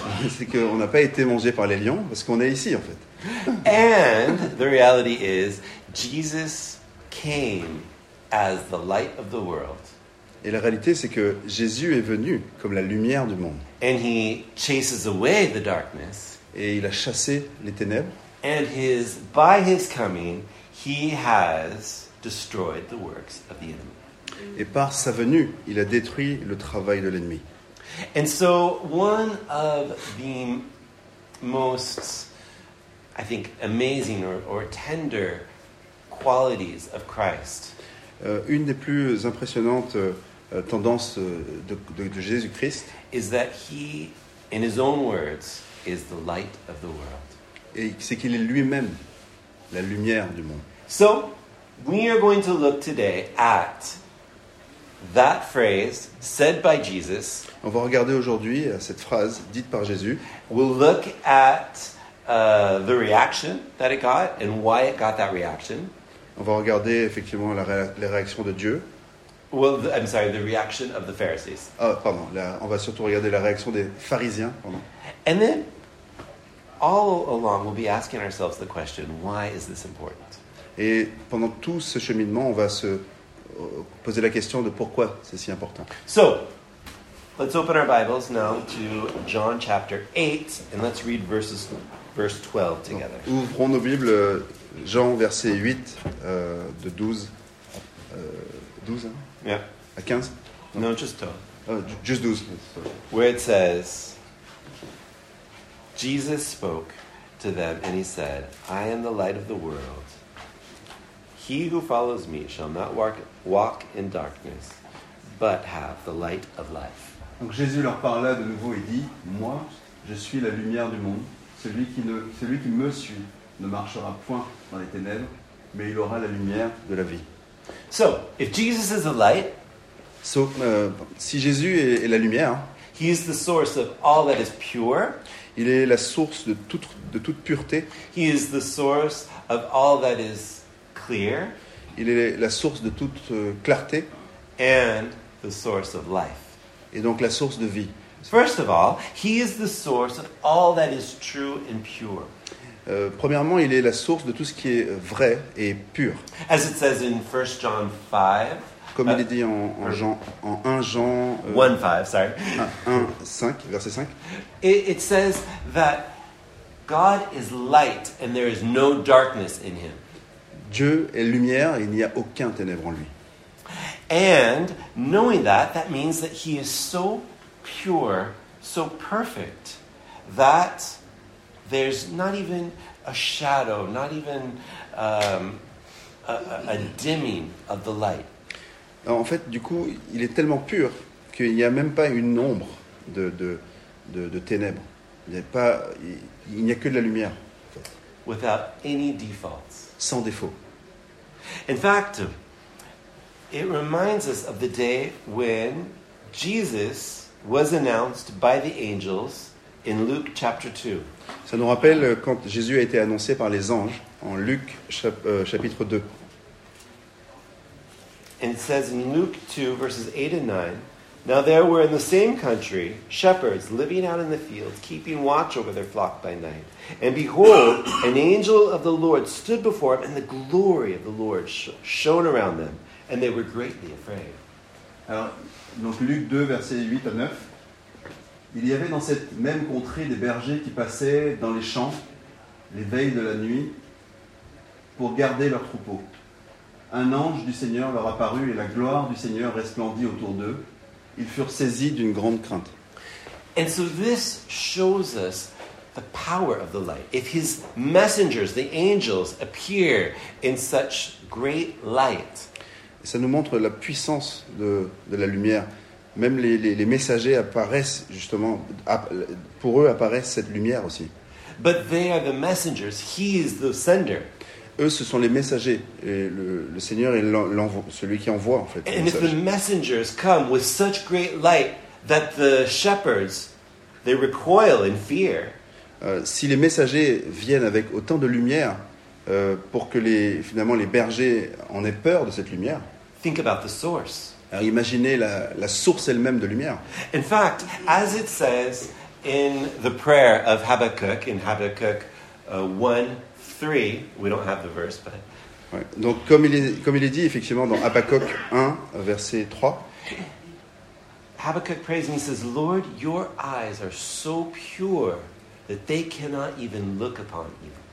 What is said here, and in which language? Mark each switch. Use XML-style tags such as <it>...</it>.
<fr>c'est qu'on n'a pas été mangé par les lions parce qu'on est ici, en fait.</fr> <en>And the reality is, Jesus came as the light of the world.</en> <fr>Et la réalité, c'est que Jésus est venu comme la lumière du monde.</fr> <en>And he chases away the darkness.</en> <fr>Et il a chassé les ténèbres.</fr> <en>And by his coming, he has destroyed the works of the enemy.</en> <fr>Et par sa venue, il a détruit le travail de l'ennemi.</fr> <en>And so one of the most, I think, amazing or tender qualities of Christ.</en> <fr>Une des plus impressionnantes tendance de Jésus-Christ,</fr> <en>is that he, in his own words, is the light of the world.</en> <fr>Et c'est qu'il est lui-même la lumière du monde.</fr> <en>So, we are going to look today at that phrase said by Jesus.</en> <fr>On va regarder aujourd'hui à cette phrase dite par Jésus.</fr> <en>We'll look at the reaction that it got and why it got that reaction.</en> <fr>On va regarder effectivement les réactions de Dieu.</fr> <en>Well, I'm sorry, the reaction of the Pharisees.</en> <fr>Oh, pardon. On va surtout regarder la réaction des pharisiens. Pardon.</fr> <en>And then, all along, we'll be asking ourselves the question, why is this important?</en> <fr>Et pendant tout ce cheminement, on va se poser la question de pourquoi c'est si important.</fr> <en>So, let's open our Bibles now to John chapter 8, and let's read verse 12 together.</en> <fr>Donc, ouvrons nos Bibles, Jean verset 8, de 12. 12, hein?</fr> <en>Yeah.</en> <fr>À 15?</fr> <en>No, just 12. Oh, just 12. Where it says, Jesus spoke to them and he said, I am the light of the world. He who follows me shall not walk in darkness, but have the light of life.</en> <fr>Donc Jésus leur parla de nouveau et dit, moi, je suis la lumière du monde. Celui qui me suit ne marchera point dans les ténèbres, mais il aura la lumière de la vie.</fr> <en>So, if Jesus is the light,</en> <fr>si Jésus est la lumière,</fr> <en>He is the source of all that is pure.</en> <fr>Il est la source de toute pureté.</fr> <en>He is the source of all that is clear.</en> <fr>Il est la source de toute clarté.</fr> <en>And the source of life.</en> <fr>Et donc la source de vie.</fr> <en>First of all, he is the source of all that is true and pure.</en> <fr>Premièrement, il est la source de tout ce qui est vrai et pur.</fr> <en>As it says in 1 John 5.</en> <fr>Comme il est dit en Jean, en 1 Jean</fr> <en>1:5, sorry.</en> <fr>1:5, verset 5.</fr> <en>It says that God is light and there is no darkness in him.</en> <fr>Dieu est lumière et il n'y a aucun ténèbre en lui.</fr> <en>And knowing that, that means that he is so pure, so perfect, that there's not even a shadow, not even a dimming of the light.</en> <fr>En fait, du coup, il est tellement pur qu'il n'y a même pas une ombre de ténèbres. Il n'y a que de la lumière.</fr> <en>Without any defaults.</en> <fr>Sans défaut.</fr> <en>In fact, it reminds us of the day when Jesus was announced by the angels in Luke chapter 2.</en> <fr>Ça nous rappelle quand Jésus a été annoncé par les anges en Luc chapitre 2.</fr> <en>And it says in Luke 2, verses 8 and 9, Now there were in the same country shepherds living out in the fields, keeping watch over their flock by night. And behold, an angel of the Lord stood before them, and the glory of the Lord shone around them, and they were greatly afraid.</en> <fr>Alors, donc Luc 2, verset 8 à 9, Il y avait dans cette même contrée des bergers qui passaient dans les champs, les veilles de la nuit, pour garder leurs troupeaux. Un ange du Seigneur leur apparut et la gloire du Seigneur resplendit autour d'eux. Ils furent saisis d'une grande crainte.</fr> <en>And so this shows us the power of the light. If his messengers, the angels, appear in such great light.</en> <fr>Ça nous montre la puissance de la lumière. Même les messagers apparaissent justement, pour eux apparaît cette lumière aussi.</fr> <en>But they are the messengers. He is the sender.</en> <fr>Eux, ce sont les messagers. Et le Seigneur est celui qui envoie, en fait.</fr> <en>And if the messengers come with such great light that the shepherds, they recoil in fear.</en> <fr>Si les messagers viennent avec autant de lumière pour que les bergers en aient peur de cette lumière.</fr> <en>Think about the source.</en> <fr>Alors imaginez la source elle-même de lumière.</fr> <en>In fact, as it says in the prayer of Habakkuk, in Habakkuk 1, 3, we don't have the verse, but...</en> <fr>Ouais. Donc, comme il est dit, effectivement, dans Habakkuk 1, verset 3.</fr> <en>Habakkuk prays and he says, Lord, your eyes are so pure that they cannot even look upon you.</en>